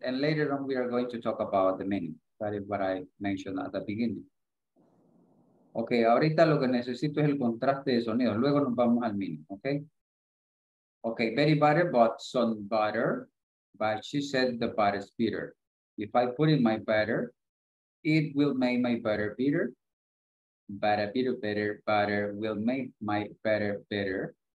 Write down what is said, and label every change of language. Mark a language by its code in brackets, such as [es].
[en] And later on, we are going to talk about the meaning. That is what I mentioned at the beginning. [es] Okay, ahorita lo que necesito es el contraste de sonido. Luego nos vamos al meaning, okay? [en] Okay, Betty Butter bought some butter, but she said the butter is bitter. If I put in my butter, it will make my butter bitter. But a bit of better butter will make my butter bitter.